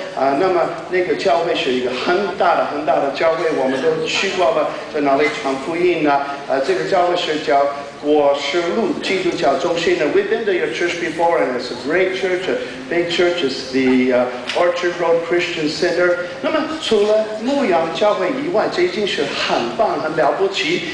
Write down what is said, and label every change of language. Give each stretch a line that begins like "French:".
Chinese: 那么那个教会是一个很大的教会，我们都去过了，在哪里传福音呢？这个教会是叫。
English: We've been to your church before, and it's a great church, a big church. It's the Orchard Road Christian Center.
Chinese: 那么除了牧羊教会以外，这已经是很棒、很了不起。